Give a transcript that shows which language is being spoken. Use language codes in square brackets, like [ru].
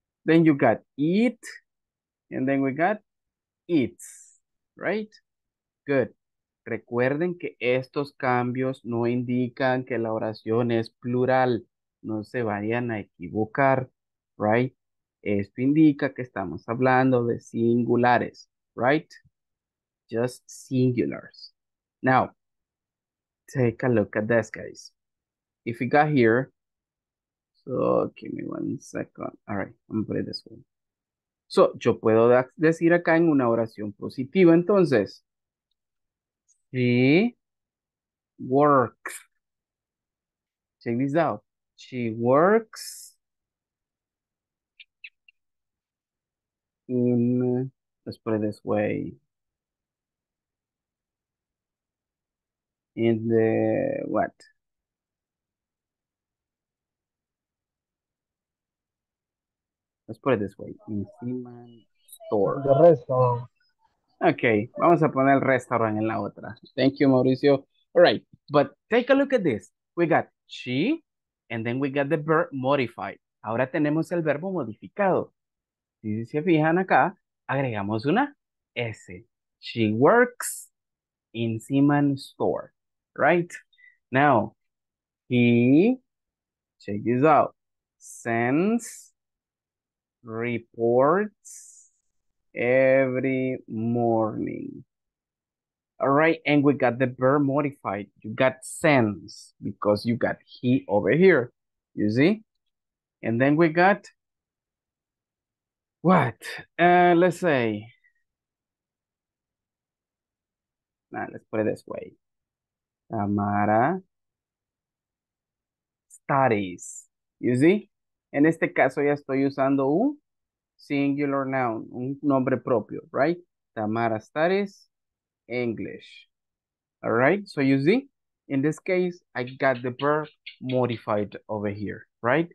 [en] Then you got it, and then we got its, right? Good. [es] Recuerden que estos cambios no indican que la oración es plural. No se vayan a equivocar, right? Esto indica que estamos hablando de singulares, right? [en] Just singulars. Now, take a look at this, guys. If we got here, so give me one second. All right, I'm gonna play this one. [es] So, yo puedo decir acá en una oración positiva, entonces. [en] She works. Check this out. She works in, let's put it this way, in the what? Let's put it this way, in human store. The restaurant. [es] Okay, vamos a poner el restaurant en la otra. [en] Thank you, Mauricio. All right, but take a look at this. We got she, and then we got the verb modified. [es] Ahora tenemos el verbo modificado. Si se fijan acá, agregamos una S. [en] She works in Simon's store, right? Now, he, check this out, sends reports every morning. All right, and we got the verb modified. You got sends because you got he over here. You see? And then we got what? Let's say. Nah, let's put it this way. Tamara studies. You see? [es] En este caso ya estoy usando un [en] singular noun, [es] un nombre propio, right? [en] Tamara studies English. All right? So you see, in this case, I got the verb modified over here, right?